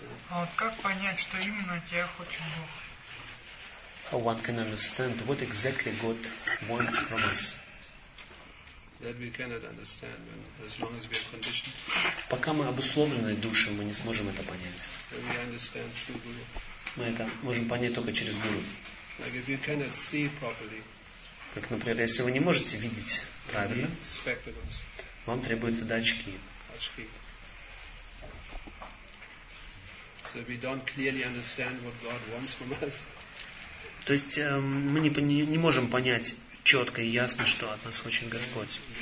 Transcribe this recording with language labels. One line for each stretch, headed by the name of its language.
Russian: А как понять, что именно тебя хочет Бог?
English: How one can understand what exactly God wants from us? That we cannot understand when, as long as we are conditioned.
Russian: Пока мы обусловлены душой, мы не сможем это понять.
English: And we understand through guru.
Russian: Мы это можем понять только через гуру.
English: Like if you cannot see properly.
Russian: Как, например, если вы не можете видеть правильно,
English: spectacles.
Russian: Вам требуются датчики. Очки.
English: So we don't clearly understand what God wants from us.
Russian: То есть мы не можем понять четко и ясно, что от нас хочет Господь.